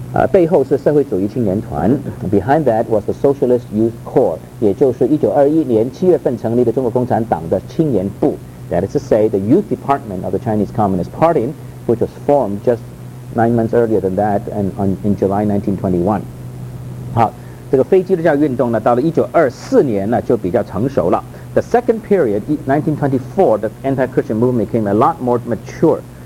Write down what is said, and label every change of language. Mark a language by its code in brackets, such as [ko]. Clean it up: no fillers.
[zh] 背后是社会主义青年团, [en] behind that was the Socialist Youth Corps, [zh] 也就是1921年7月份成立的中国共产党的青年部, [en] that is to say, the Youth Department of the Chinese Communist Party, which was formed just 9 months earlier than that, and in July 1921. [zh] 好，这个非基督教运动呢, 到了1924年呢, 就比较成熟了。 [en] The second period, 1924, the anti-Christian movement became a lot more mature.